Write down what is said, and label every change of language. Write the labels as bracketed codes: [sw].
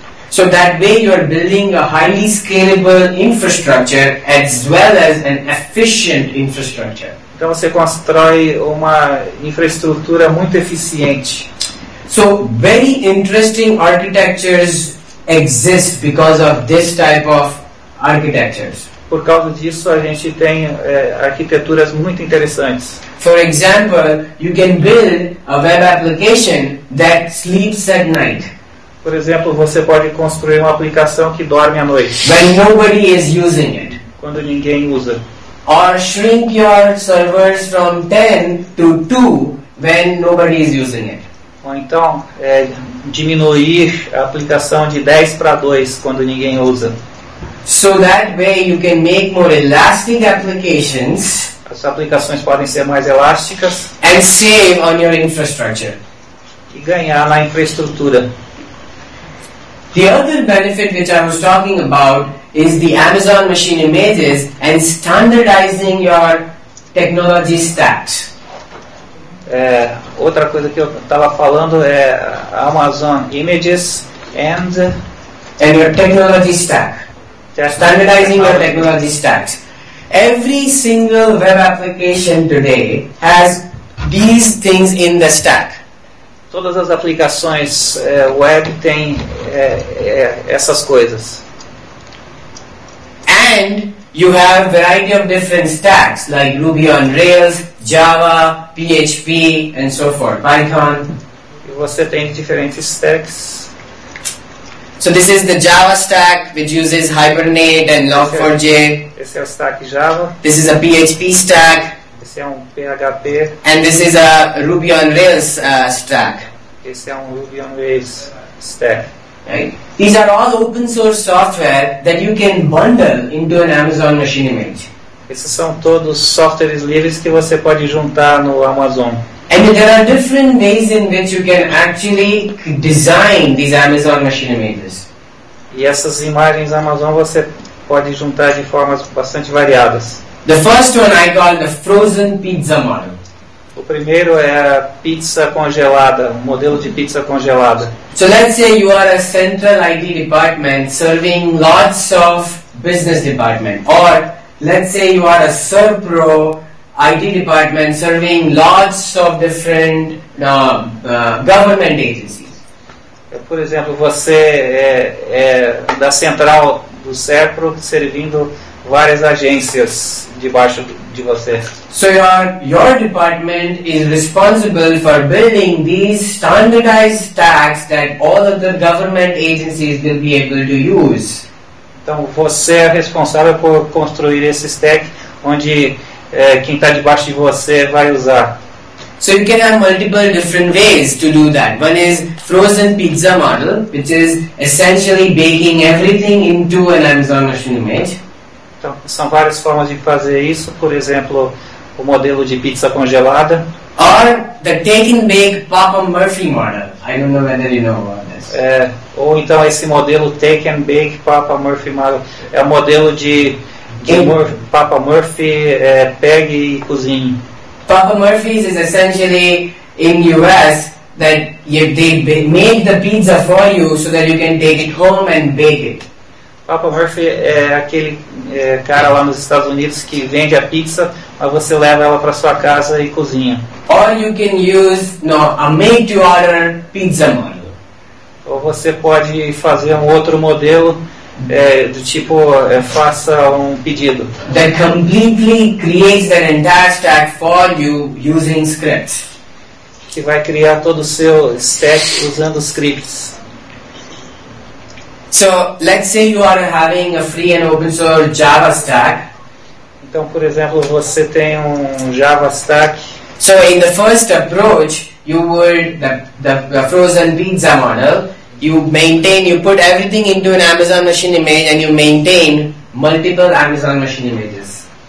[en] So that way you are building a highly scalable infrastructure as well as an efficient infrastructure. [pt] Então você constrói uma infraestrutura muito eficiente. [en] So very interesting architectures exist because of this type of architectures. [pt] Por causa disso a gente tem arquiteturas muito interessantes. [en] For example, you can build a web application that sleeps at night. [pt] Por exemplo, você pode construir uma aplicação que dorme à noite. [en] When nobody is using it. [pt] Quando ninguém usa. [en] Or shrink your servers from 10 to 2 when nobody is using it. [pt] Ou então, diminuir a aplicação de 10 para 2 quando ninguém usa. [en] So that way you can make more elastic applications. [pt] As aplicações podem ser mais elásticas. [en] And save on your infrastructure. [pt] E ganhar na infraestrutura. [en] The other benefit which I was talking about is the Amazon machine images and standardizing your technology stack. [pt] Outra coisa que eu estava falando é Amazon images [en] and your technology stack. Standardizing your technology stack. Every single web application today has these things in the stack. [pt] Todas as aplicações web têm essas coisas. [en] And you have variety of different stacks like Ruby on Rails, Java, PHP and so forth, Python. [pt] E você tem diferentes stacks. [en] So this is the Java stack which uses Hibernate and Log4j. [pt] Esse é o stack Java. [en] This is a PHP stack. [pt] Esse é um PHP. [en] And this is a Ruby on Rails stack. [pt] Esse é um Ruby on Rails stack. [en] Right? These are all open source software that you can bundle into an Amazon machine image. [pt] Esses são todos softwares livres que você pode juntar no Amazon. [en] And there are different ways in which you can actually design these Amazon machine images. [pt] E essas imagens Amazon você pode juntar de formas bastante variadas. [en] The first one I call the frozen pizza model. [pt] O primeiro é a pizza congelada, um modelo de pizza congelada. [en] So let's say you are a central IT department serving lots of business departments. Or let's say you are a Serpro IT department serving lots of different government agencies. [pt] Por exemplo, você é da central do Serpro, servindo várias agências debaixo de você. [en] So your department is responsible for building these standardized tags that all of the government agencies will be able to use. [pt] Então você é responsável por construir esses tags onde quem está debaixo de você vai usar. [en] So you can have multiple different ways to do that. One is frozen pizza model, which is essentially baking everything into an Amazon machine image. [pt] Então, são várias formas de fazer isso, por exemplo, o modelo de pizza congelada. [en] Or the take and bake Papa Murphy model. I don't know whether you know about this. [pt] Ou então esse modelo [en] take and bake Papa Murphy model. [pt] É o modelo de Papa Murphy, pegue e cozinhe. [en] Papa Murphy's is essentially in US that they make the pizza for you so that you can take it home and bake it. [pt] Papa Murphy é aquele cara lá nos Estados Unidos que vende a pizza, mas você leva ela para sua casa e cozinha. [en] Or you can use a made-to-order pizza model. [pt] Ou você pode fazer um outro modelo do tipo faça um pedido. [en] That completely creates that entire stack for you using scripts. [pt] Que vai criar todo o seu stack usando scripts. [en] So, let's say you are having a free and open source Java stack. [pt] Então, por exemplo, você tem um Java stack. [en] So, in the first approach, you would the frozen pizza model, you maintain, you put everything into an Amazon machine image and you maintain multiple Amazon machine images.